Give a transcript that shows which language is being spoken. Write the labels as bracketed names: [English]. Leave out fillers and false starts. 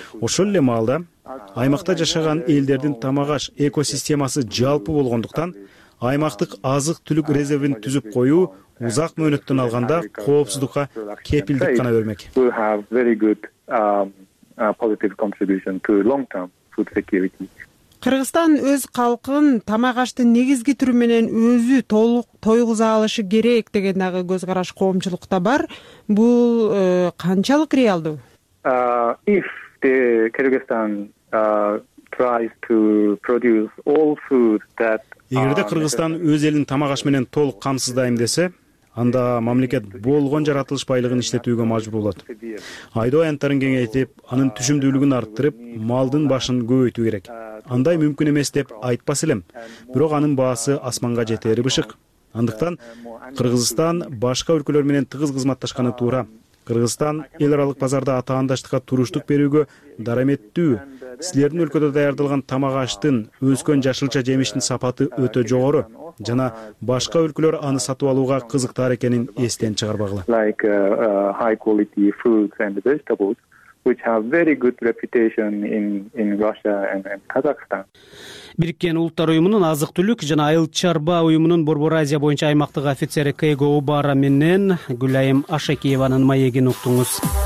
[Kyrgyz] Ошол эле маалда аймакта жашаган элдердин тамак аш экосистемасы жалпы болгондуктан, аймактык азык-түлүк резервин түзүп коюу узак мөөнөттөн алганда коопсуздукка кепилдик гана бермек. Кыргызстан өз калкын тамак аштын негизги түрү менен өзү толук тойгуза алышы керек деген дагы көз караш коомчулукта бар. Бул канчалык реалдуу? [English] If the Kyrgyzstan tries to produce all food that [Kyrgyz] Эгерде Кыргызстан өз элин тамак аш менен толук камсыздайм десе, анда мамлекет болгон жаратылыш байлыгын иштетүүгө мажбур болот. Айдоо аянттарын кеңейтип, анын түшүмдүүлүгүн арттырып, малдын башын көбөйтүү керек. Андай мүмкүн эмес деп айтпас элем, бирок анын баасы асманга жетери бышык. Андыктан Кыргызстан башка өлкөлөр менен тыгыз кызматташканы туура. Кыргызстан эл аралык базарда атаандаштыкка туруштук берүүгө дарамэттүү. Силердин өлкөдө даярдалган тамак аштын, өскөн жашылча жемиштин сапаты өтө жогору жана башка өлкөлөр аны сатып алууга кызыктар экенин эстен чыгарбагыла. [English] High quality foods and vegetables which have very good reputation in Russia and Kazakhstan. [Kyrgyz] Бириккен улуттар уюмунун азык түлүк жана айыл чарба уюмунун Борбор Азия боюнча аймактык офицери Кейго Убара менен Гүлайым Ашекиеванын маегин уктуңуз.